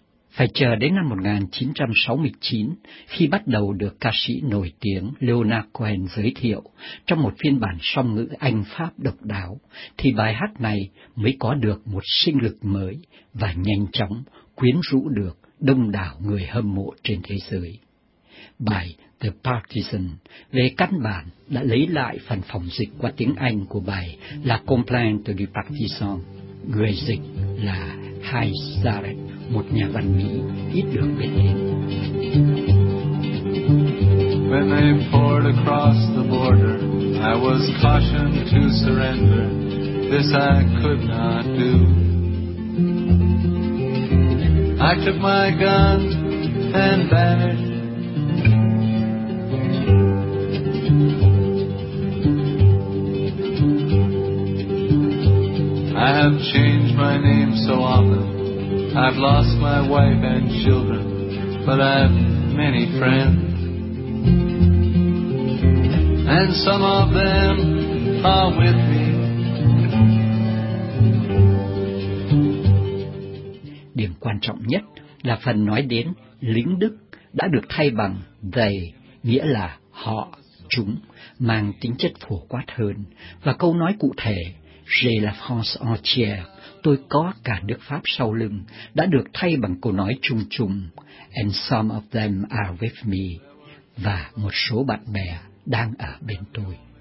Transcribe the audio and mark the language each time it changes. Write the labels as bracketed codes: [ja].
[vi] Phải chờ đến năm 1969 khi bắt đầu được ca sĩ nổi tiếng Leonard Cohen giới thiệu trong một phiên bản song ngữ Anh Pháp độc đáo, thì bài hát này mới có được một sinh lực mới và nhanh chóng quyến rũ được đông đảo người hâm mộ trên thế giới. Bài The Partisan về căn bản đã lấy lại phần phòng dịch qua tiếng Anh của bài La Complainte du Partisan. Người dịch là Hai Zaret, một nhà văn Mỹ ít được biết đến. [en] When they poured across the border, I was cautioned to surrender. This I could not do. I took my gun and vanished. I have changed my name so often, I've lost my wife and children, but I've many friends, and some of them are with me. [vi] Điểm quan trọng nhất là phần nói đến lính Đức đã được thay bằng they, nghĩa là họ, chúng, mang tính chất phổ quát hơn, và câu nói cụ thể [fr] J'ai la France entière, [vi] tôi có cả nước Pháp sau lưng, đã được thay bằng câu nói chung chung, [en] and some of them are with me, [vi] và một số bạn bè đang ở bên tôi.